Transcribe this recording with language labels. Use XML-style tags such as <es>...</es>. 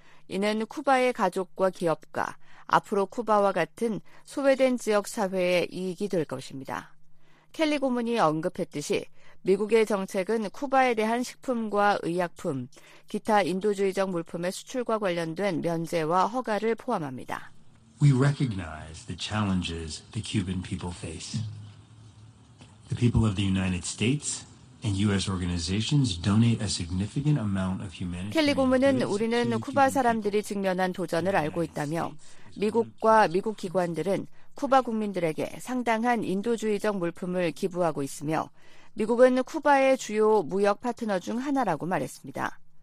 <ko>이는 쿠바의 가족과 기업가, 앞으로 쿠바와 같은 소외된 지역 사회의 이익이 될 것입니다. 켈리 고문이 언급했듯이 미국의 정책은 쿠바에 대한 식품과 의약품, 기타 인도주의적 물품의 수출과 관련된 면제와 허가를 포함합니다.</ko> <en>We recognize the challenges the Cuban people face. The people of the United States and U.S. organizations donate a significant amount of humanity.</en> <ko>켈리 고문은 우리는 쿠바 사람들이 직면한 도전을 알고 있다며 미국과 미국 기관들은 쿠바 국민들에게 상당한 인도주의적 물품을 기부하고 있으며 미국은 쿠바의 주요 무역 파트너 중 하나라고 말했습니다.</ko>